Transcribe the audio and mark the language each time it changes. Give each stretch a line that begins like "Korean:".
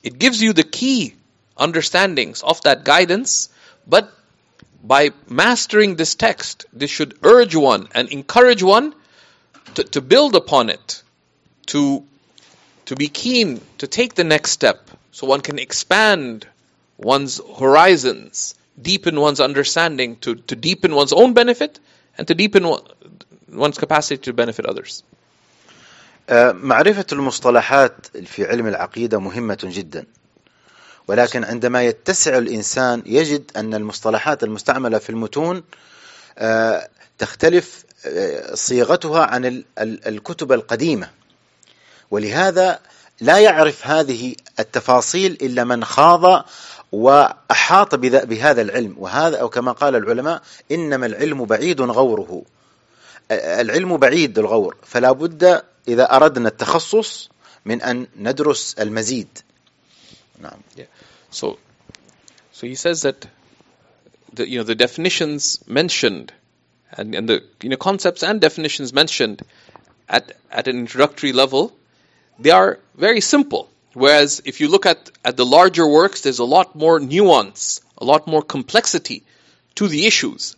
English: It gives you the key understandings of that guidance, but by mastering this text, this should urge one and encourage one to build upon it, to be keen to take the next step, so one can expand one's horizons, deepen one's understanding, to deepen one's own benefit, and to deepen one's capacity to benefit others.
Arabic: معرفة المصطلحات في علم العقيدة مهمة جدا. ولكن عندما يتسع الإنسان يجد أن المصطلحات المستعملة في المتون تختلف صيغتها عن الكتب القديمة، ولهذا لا يعرف هذه التفاصيل إلا من خاض وأحاط بهذا العلم. وهذا أو كما قال العلماء إنما العلم بعيد غوره، العلم بعيد الغور، فلا بد إذا أردنا التخصص من أن ندرس المزيد. نعم.
English: So he says that the definitions mentioned and the concepts and definitions mentioned at an introductory level, they are very simple. Whereas if you look at the larger works, there's a lot more nuance, a lot more complexity to the issues.